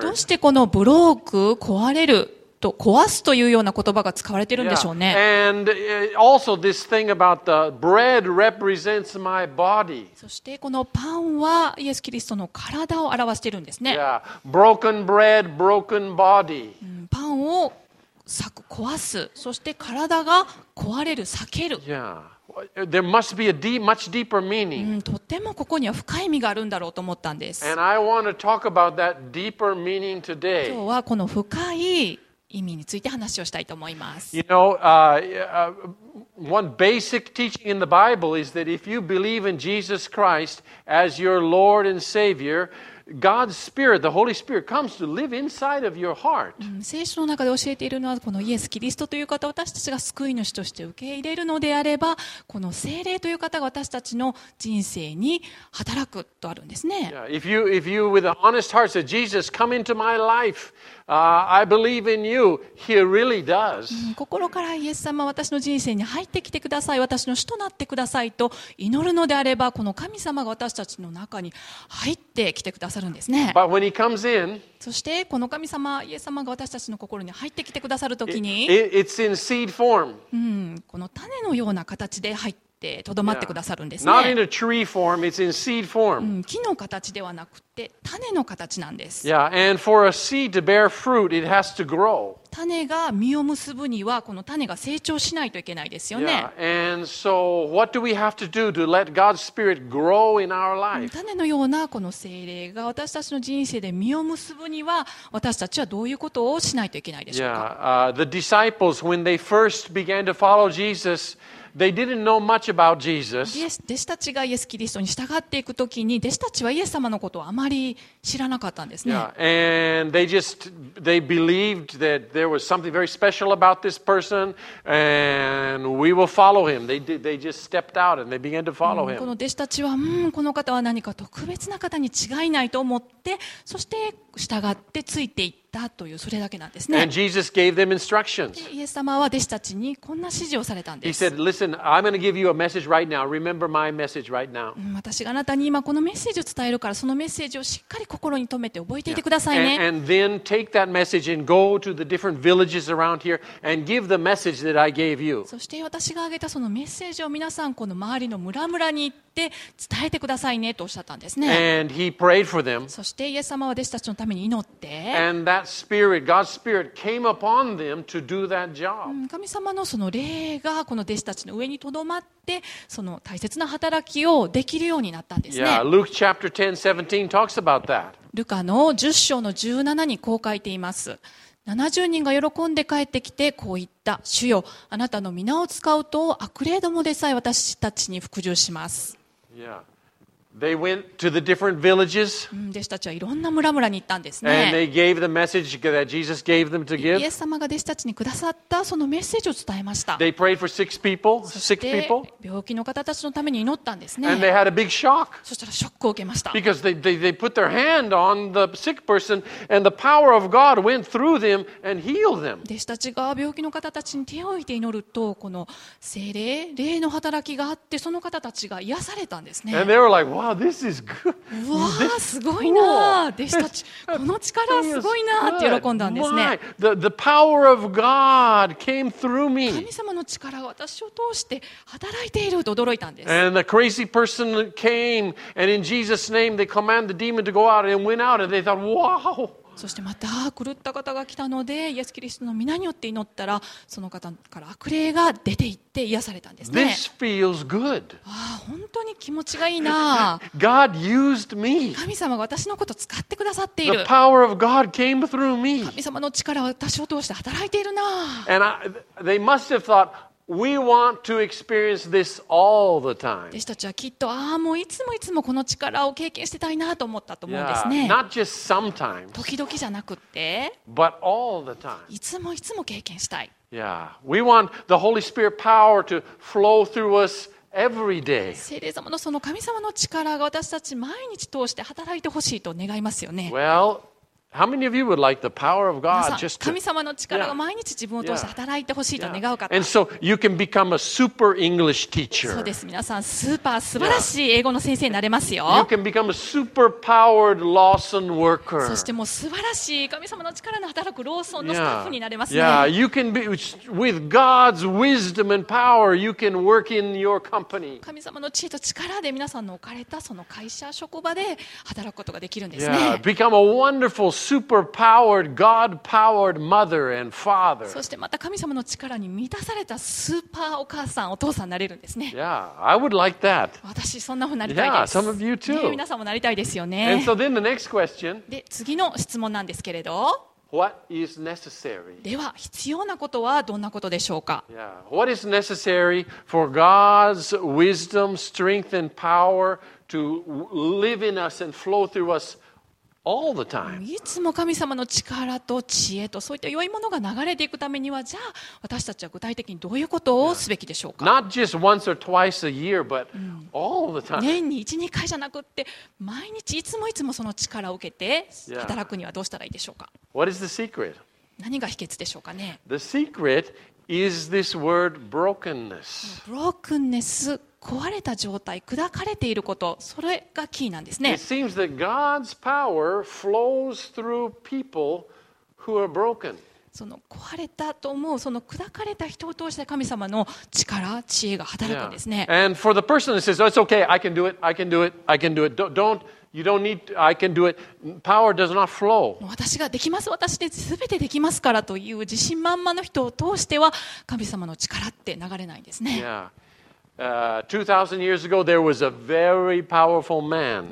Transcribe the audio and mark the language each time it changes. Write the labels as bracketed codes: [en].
[ja] どうしてこのブロック、壊れると、壊すというような言葉が使われているんでしょうね。 [en] And also this thing about the bread represents my body. [ja] そしてこのパンはイエス・キリストの体を表しているんですね。 [en] Broken bread, broken body. [ja] パンを裂く、壊す、そして体が壊れる、裂ける。 [en] There must be a deep, much deeper meaning. [ja] とてもここには深い意味があるんだろうと思ったんです。 [en] And I want to talk about that deeper meaning today. [ja] 今日はこの深い意味について話をしたいと思います。 [en] You know, one basic teaching in the Bible is that if you believe in Jesus Christ as your Lord and Savior,God's Spirit, the Holy Spirit, comes to live inside of your heart. [ja] 聖書の中で教えているのは、このイエス・キリストという方を私たちが救い主として受け入れるのであれば、この聖霊という方が私たちの人生に働くとあるんですね。 [en] If you with an honest heart say, Jesus, come into my life, I believe in you, He really does. [ja] 心からイエス様、私の人生に入ってきてください、私の主となってくださいと祈るのであれば、この神様が私たちの中に入ってきてくださいさるんですね。 [en] But when he comes in, [ja] そしてこの神様、イエス様が私たちの心に入ってきてくださるときに、 [en] it's in seed form. [ja] この種のような形で入ってとどまってくださるんですね。 [en] Not in a tree form, it's in seed form. [ja] 木の形ではなくて種の形なんです。 [en] Yeah, and for a seed to bear fruit, it has to grow. [ja] 種が実を結ぶにはこの種が成長しないといけないですよね。 [en] Yeah, and so what do we have to do to let God's Spirit grow in our life? [ja] 種のようなこの聖霊が私たちの人生で実を結ぶには私たちはどういうことをしないといけないでしょうか。 [en] The disciples when they first began to follow Jesus,They didn't know much about Jesus. [ja] 弟子たちがイエス・キリストに従っていくときに、弟子たちはイエス様のことをあまり知らなかったんですね。 [en] And they believed that there was something very special about this person, and we will follow him. They just stepped out and they began to follow him. [ja] この弟子たちは、この方は何か特別な方に違いないと思って、そして従ってついていって。ったというそれだけなんですね。 [en] And Jesus gave them instructions. [ja] イエス様は弟子たちにこんな指示をされたんです。 [en] He said, "Listen, I'm going to give you a message right now. Remember my message right now." [ja] 私があなたに今このメッセージを伝えるから、そのメッセージをしっかり心に留めて覚えていてくださいね。 Yeah. [en] And then take that message and go to the different villages around here and give the message that I gave you. [ja] そして私が挙げたそのメッセージを皆さんこの周りの村々に行って伝えてくださいねとおっしゃったんですね。 [en] And he prayed for them. [ja] そしてイエス様は弟子たちのために祈って。 [en] And that spirit, God's spirit, came upon them to do that job. [ja] 神様のその霊がこの弟子たちの上にとどまってその大切な働きをできるようになったんですね。 [en] Yeah, Luke chapter 10, 17 talks about that. [ja] ルカの10章の17にこう書いています。70人が喜んで帰ってきてこう言った。主よ、あなたの皆を使うと悪霊どもでさえ私たちに服従します。 Yeah. [en] They went to the different villages. [ja] 弟子たちはいろんな村々に行ったんですね。 [en] And they gave the message that Jesus gave them to give. [ja] イエス様が弟子たちにくださったそのメッセージを伝えました。 [en] They prayed for six people. Six people. [ja] 病気の方たちのために祈ったんですね。 [en] And they had a big shock. [ja] そしたらショックを受けました。 [en] Because they put their hand on the sick person and the power of God went through them and healed them. [ja] 弟子たちが病気の方たちに手を置いて祈るとこの聖霊、霊の働きがあってその方たちが癒されたんですね。 [en] And they were like, what? Wow, this is good. [ja] うわーすごいな弟子たちこの力すごいなって喜んだんですね。 [en] The power of God came through me. [ja] 神様の力が私を通して働いていると驚いたんです。 [en] And the crazy person came, and in Jesus' name they commanded the demon to go out and went out, and they thought, wow. [ja] そしてまた狂った方が来たのでイエス・キリストの皆によって祈ったらその方から悪霊が出て行って癒されたんですね。 [en] This feels good. [ja] ああ本当に気持ちがいいな。 [en] God used me. [ja] 神様が私のことを使ってくださっている。 [en] The power of God came through me. [ja] 神様の力は私を通して働いているな。 [en] And they must have thoughtWe want to experience this all the time. [ja] 弟子たちはきっとああもういつもいつもこの力を経験してたいなと思ったと思うんですね。 [en] Yeah, not just sometimes. [ja] 時々じゃなくって [en] but all the time. [ja] いつもいつも経験したい。 [en] Yeah, we want the Holy Spirit power to flow through us every day. [ja] 聖霊様のその神様の力が私たち毎日通して働いてほしいと願いますよね。 [en] Well,How many of you would like the power of God just to, [ja] 神様の力が毎日自分を通して働いてほしいと願う方。 [en] And so you can become a super English teacher. [ja] そうです。皆さん、スーパー素晴らしい英語の先生になれますよ。 [en] You can become a super powered Lawson worker. [ja] そしてもう素晴らしい神様の力の働くローソンのスタッフになれますね。 [en] Yeah, you can be with God's wisdom and power. You can work in your company. [ja] 神様の知恵と力で皆さんの置かれたその会社職場で働くことができるんですね。 [en] Yeah, become a wonderful. Super-powered, God-powered mother and father. [ja] そしてまた神様の力に満たされたスーパーお母さんお父さんになれるんですね。 [en] Yeah, I would like that. [ja] 私そんなふうになりたいです。 [en] Yeah, some of you too. [ja] ね、皆さんもなりたいですよね。 [en] And so then the next question. [ja] で次の質問なんですけれど。 [en] What is necessary? [ja] では必要なことはどんなことでしょうか。 [en] Yeah, what is necessary for God's wisdom, strength, and power to live in us and flow through us? All the time. [ja] いつも神様の力と知恵とそういった良いものが流れていくためにはじゃあ私たちは具体的にどういうことをすべきでしょうか。 [en] Not just once or twice a year, but all the time. [ja] 年に 1,2 回じゃなくって毎日いつもいつもその力を受けて働くにはどうしたらいいでしょうか。 [en] What is the secret? [ja] 何が秘訣でしょうかね。 [en] The secret is this word brokenness. Brokenness. [ja] 壊れた状態、砕かれていること、それがキーなんですね。 [en] It seems that God's power flows through people who are broken. [ja] その壊れたと思う、その砕かれた人を通して神様の力、知恵が働くんですね。 [en] And for the person that says, "It's okay, I can do it, I can do it, I can do it," don't. You don't need. I can do it. Power does not flow. [ja] 私ができます。私で全てできますからという自信満々の人を通しては神様の力って流れないんですね。 Yeah. [en] 2000 years ago, there was a very powerful man.